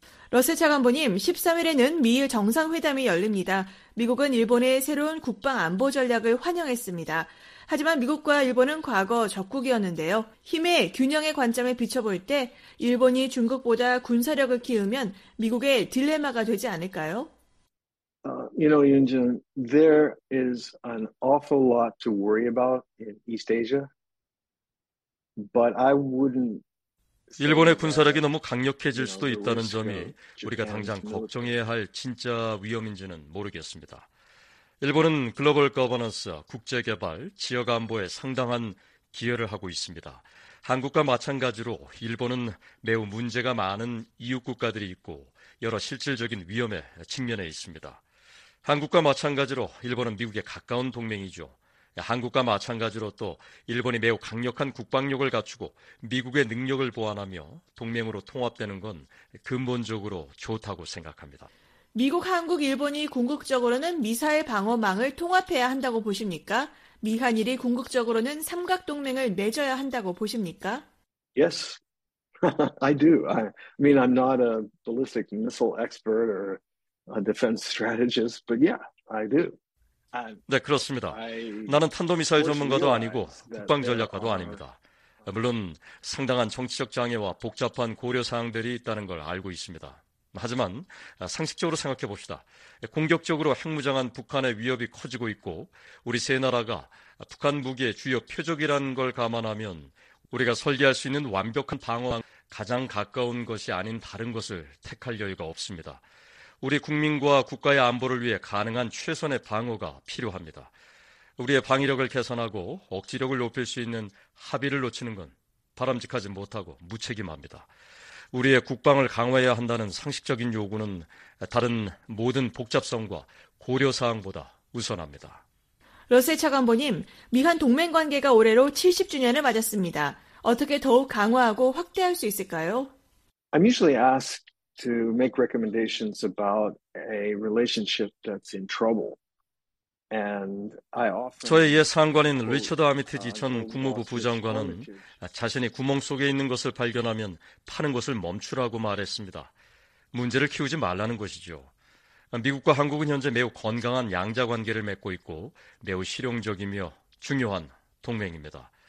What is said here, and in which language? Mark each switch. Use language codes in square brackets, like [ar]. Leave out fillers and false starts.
[ko] 러셀 차관보님, 13일에는 미일 정상회담이 열립니다. 미국은 일본의 새로운 국방 안보 전략을 환영했습니다. 하지만 미국과 일본은 과거 적국이었는데요. 힘의 균형의 관점에 비춰볼 때 일본이 중국보다 군사력을 키우면 미국의 딜레마가 되지 않을까요? [en] You know, Yunjin, there is an awful lot to worry about in East Asia. But I wouldn't [ko] 일본의 군사력이 너무 강력해질 수도 있다는 점이 우리가 당장 걱정해야 할 진짜 위험인지는 모르겠습니다. 일본은 글로벌 거버넌스, 국제개발, 지역안보에 상당한 기여를 하고 있습니다. 한국과 마찬가지로 일본은 매우 문제가 많은 이웃 국가들이 있고 여러 실질적인 위험에 직면해 있습니다. 한국과 마찬가지로 일본은 미국에 가까운 동맹이죠. 한국과 마찬가지로 또 일본이 매우 강력한 국방력을 갖추고 미국의 능력을 보완하며 동맹으로 통합되는 건 근본적으로 좋다고 생각합니다. 미국, 한국, 일본이 궁극적으로는 미사일 방어망을 통합해야 한다고 보십니까? 미한일이 궁극적으로는 삼각동맹을 맺어야 한다고 보십니까? [en] Yes, I do. I mean, I'm not a ballistic missile expert or a defense strategist, but yeah, I do. [ko] 네, 그렇습니다. 나는 탄도미사일 전문가도 아니고 국방전략가도 아닙니다. 물론 상당한 정치적 장애와 복잡한 고려사항들이 있다는 걸 알고 있습니다. 하지만 상식적으로 생각해 봅시다. 공격적으로 핵무장한 북한의 위협이 커지고 있고 우리 세 나라가 북한 무기의 주요 표적이라는 걸 감안하면 우리가 설계할 수 있는 완벽한 방어망 가장 가까운 것이 아닌 다른 것을 택할 여유가 없습니다. 우리 국민과 국가의 안보를 위해 가능한 최선의 방어가 필요합니다. 우리의 방위력을 개선하고 억지력을 높일 수 있는 합의를 놓치는 건 바람직하지 못하고 무책임합니다. 우리의 국방을 강화해야 한다는 상식적인 요구는 다른 모든 복잡성과 고려사항보다 우선합니다. 러셀 차관보님, 미한 동맹 관계가 올해로 70주년을 맞았습니다. 어떻게 더욱 강화하고 확대할 수 있을까요? [en] I'm usually asked to make recommendations about a relationship that's in trouble. [ko] 저의 옛 상관인 리처드 아미티지 전 국무부 부장관은 자신이 구멍 속에 있는 것을 발견하면 파는 것을 멈추라고 말했습니다. 문제를 키우지 말라는 것이죠. 미국과 한국은 현재 매우 건강한 양자관계를 맺고 있고 매우 실용적이며 중요한 동맹입니다.